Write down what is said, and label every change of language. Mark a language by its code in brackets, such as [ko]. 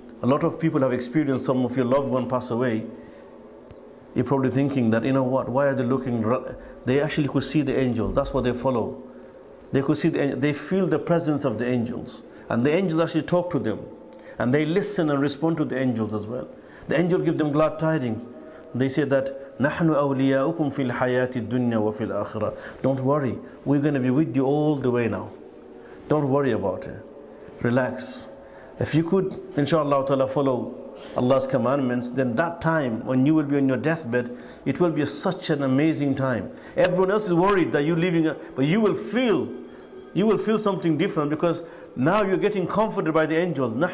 [en] A lot of people have experienced some of your loved one pass away. You're probably thinking that, you know what, why are they looking? They actually could see the angels. That's what they follow. They could see they feel the presence of the angels. And the angels actually talk to them. And they listen and respond to the angels as well. The angel give them glad tidings. They say that [ar] نحن أولياؤكم في الحياة الدنيا وفي الآخرة. [en] Don't worry, we're going to be with you all the way now. Don't worry about it. Relax. If you could, inshallah ta'ala, follow Allah's commandments, then that time when you will be on your deathbed, it will be such an amazing time. Everyone else is worried that you're leaving, but you will feel something different, because now you're getting comforted by the angels.